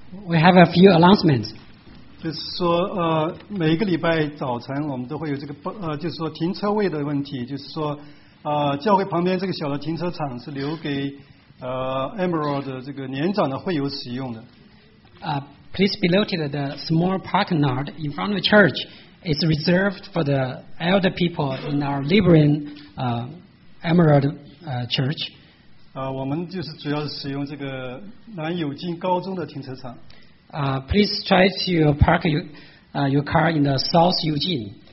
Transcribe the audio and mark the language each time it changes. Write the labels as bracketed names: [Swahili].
[English] We have a few announcements. [Chinese] 就是说每个礼拜早晨我们都会有这个就是说停车位的问题，就是说教会旁边这个小的停车场是留给Emerald 的这个年长的会友使用的。 [English] Please be noted that the small parking lot in front of the church is reserved for the elder people in our neighboring Emerald church. [Chinese] 我们就是主要是使用这个南有金高中的停车场。 [English] Please try to park your car in the South Eugene.